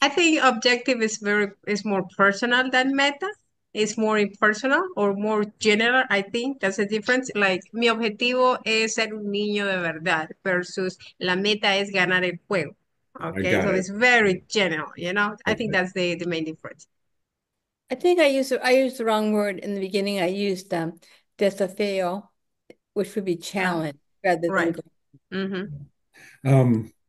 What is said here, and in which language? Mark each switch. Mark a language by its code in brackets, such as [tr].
[en] I think objective is more personal than meta. It's more impersonal or more general, I think. That's the difference. [es] Like, mi objetivo es ser un niño de verdad versus la meta es ganar el juego. [en] Okay, so it's very general, I think that's the main difference. I think I used the wrong word in the beginning. I used desafío, which would be challenge rather than goal. Mm-hmm.